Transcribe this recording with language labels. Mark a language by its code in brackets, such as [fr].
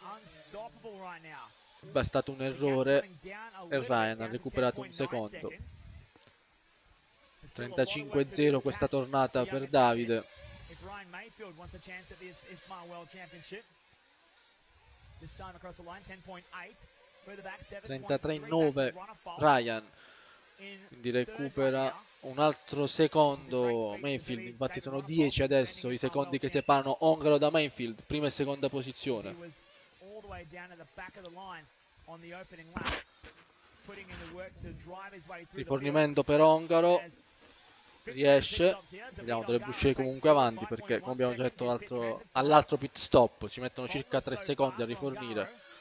[it] È stato un errore e Ryan ha recuperato un secondo. 35.0 questa tornata per Davide. [en] Ryan Mayfield wants a chance at the Ismail World Championship. This time across the line, 10.8. Further back, [it] 33.9 Ryan. Quindi recupera un altro secondo Mayfield. Infatti sono 10 adesso i secondi che separano Ongaro da Mayfield, prima e seconda posizione. [en] All the way down at the back of the line on the opening lap, putting in the work to drive his way through. [it] Rifornimento per Ongaro. Riesce, vediamo, dovrebbe uscire comunque avanti perché, come abbiamo già detto, all'altro pit stop ci mettono circa 3 secondi a rifornire.